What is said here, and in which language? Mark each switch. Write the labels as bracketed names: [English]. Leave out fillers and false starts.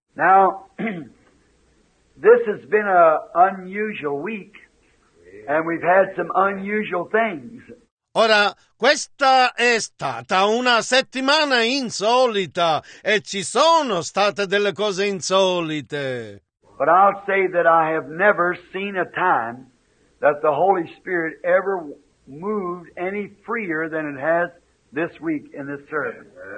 [English] Now, this has been an unusual week, and we've had some unusual things. [Italian] Ora, questa è stata una settimana insolita e ci sono state delle cose insolite. [English] But I'll say that I have never seen a time that the Holy Spirit ever moved any freer than it has this week in this service.